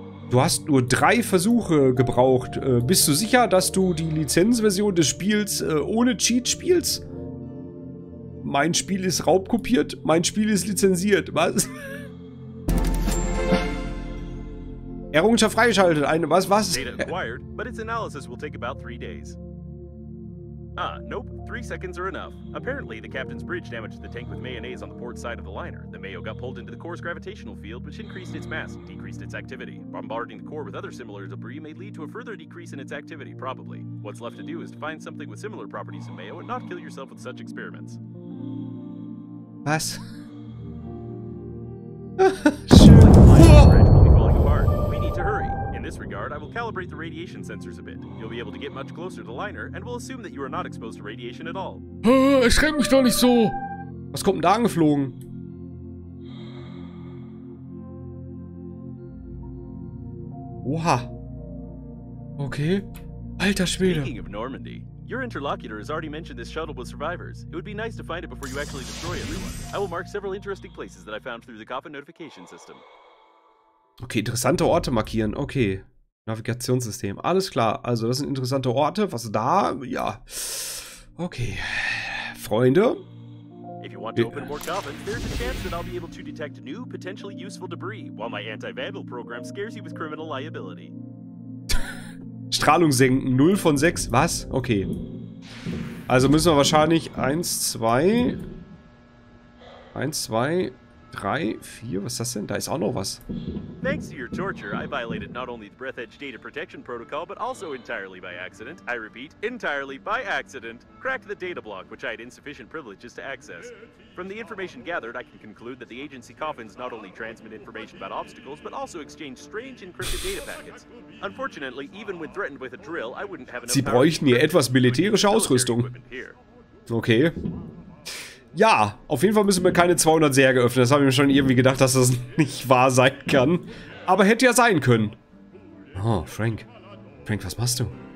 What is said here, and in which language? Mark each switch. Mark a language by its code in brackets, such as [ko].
[de] Du hast nur 3 Versuche gebraucht. Bist du sicher, dass du die Lizenzversion des Spiels ohne Cheat spielst? Mein Spiel ist raubkopiert, mein Spiel ist lizenziert. Was? Errungenschaft freigeschaltet. Was? [en] Data acquired, but its analysis will take about 3 days. Ah, nope, 3 seconds are enough. Apparently, the captain's bridge damaged the tank with mayonnaise on the port side of the liner. The mayo got pulled into the core's gravitational field, which increased its mass and decreased its activity. Bombarding the core with other similar debris may lead to a further decrease in its activity, probably. What's left to do is to find something with similar properties to mayo and not kill yourself with such experiments. [de] Was? Schön. [en] Sure. Oh. We need to hurry. In this regard, I will calibrate the radiation sensors a bit. You'll be able to get much closer to the liner and we'll assume that you are not exposed to radiation at all. [de] Erschreck mich doch nicht so! Was kommt denn da angeflogen? Oha! Okay. Alter Schwede. [en] Speaking of Normandy, your interlocutor has already mentioned this shuttle with survivors. It would be nice to find it before you actually destroy everyone. I will mark several interesting places that I found through the Coffin Notification System. [de] Okay, interessante Orte markieren. Okay. Navigationssystem. Alles klar. Also, das sind interessante Orte. Was da? Ja. Okay. Freunde. [en] If you want to open more coffins, there's a chance that I'll be able to detect new, potentially useful debris, while my anti-vandal program scares you with criminal liability. [de] Strahlung senken. 0 von 6. Was? Okay. Also müssen wir wahrscheinlich 1, 2... 1, 2... 3, 4, was ist das denn? Da ist auch noch was. [en] Thanks to your torture, I violated not only the Breath Edge Data Protection Protocol, but also entirely by accident, I repeat, entirely by accident, cracked the data block, which I had insufficient privileges to access. From the information gathered, I can conclude that the agency coffins not only transmit information about obstacles, but also exchange strange encrypted data packets. Unfortunately, even when threatened with a drill, I wouldn't have enough power. [de] Sie bräuchten hier etwas militärische Ausrüstung. Okay. Ja, auf jeden Fall müssen wir keine 200 Särge öffnen. Das habe ich mir schon irgendwie gedacht, dass das nicht wahr sein kann. Aber hätte ja sein können. Oh, Frank. Frank, was machst du?